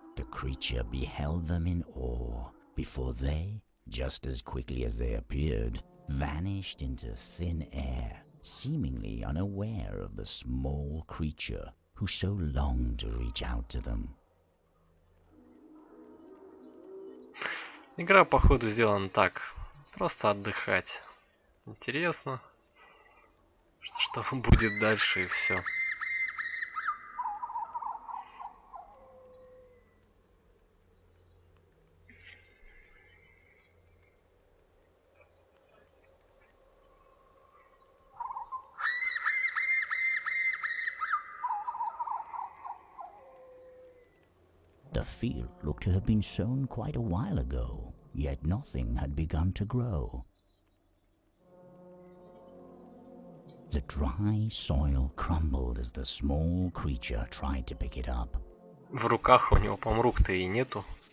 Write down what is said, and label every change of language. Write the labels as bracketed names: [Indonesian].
[English] The creature beheld them in awe, before they, just as quickly as they appeared, vanished into thin air, seemingly unaware of the small creature who so longed to reach out to them. [Russian] Игра, походу, сделана так. Просто отдыхать. Интересно. Что будет дальше и все. [English] The field looked to have been sown quite a while ago, yet nothing had begun to grow. The dry soil crumbled as the small creature tried to pick it up. [Russian] В руках у него, по-моему, рук-то и нету.